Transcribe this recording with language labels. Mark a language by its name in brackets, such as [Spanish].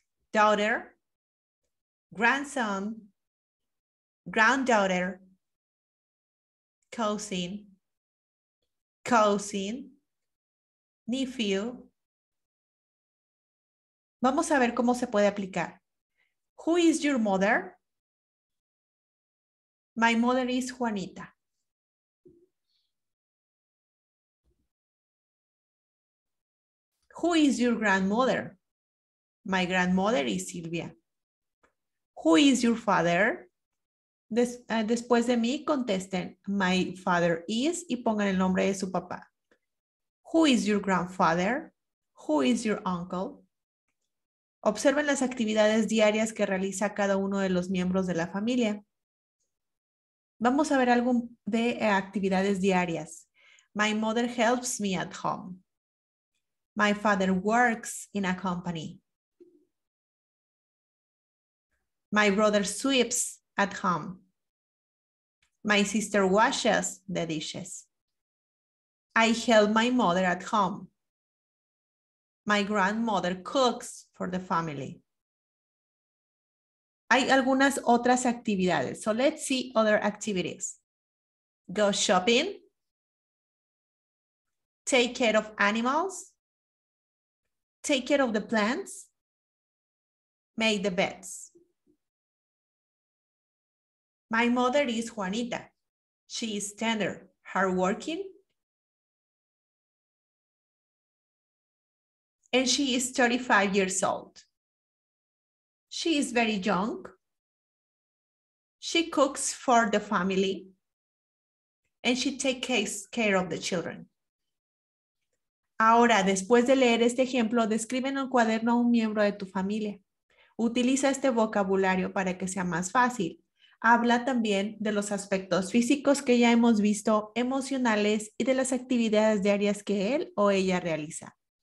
[English] Daughter, grandson, granddaughter, cousin, cousin, nephew. [Spanish] Vamos a ver cómo se puede aplicar. [English] Who is your mother? My mother is Juanita. Who is your grandmother? My grandmother is Silvia. Who is your father? [Spanish] Después de mí, contesten, [English] my father is, [Spanish] y pongan el nombre de su papá. [English] Who is your grandfather? Who is your uncle? [Spanish] Observen las actividades diarias que realiza cada uno de los miembros de la familia. Vamos a ver algo de actividades diarias. [English] My mother helps me at home. My father works in a company. My brother sweeps at home. My sister washes the dishes. I help my mother at home. My grandmother cooks for the family. [Spanish] Hay algunas otras actividades. [English] So let's see other activities. Go shopping. Take care of animals. Take care of the plants. Make the beds. My mother is Juanita. She is tender, hardworking. And she is 35 years old. She is very young. She cooks for the family. And she takes care of the children. [Spanish] Ahora, después de leer este ejemplo, describe en un cuaderno a un miembro de tu familia. Utiliza este vocabulario para que sea más fácil. Habla también de los aspectos físicos que ya hemos visto, emocionales y de las actividades diarias que él o ella realiza.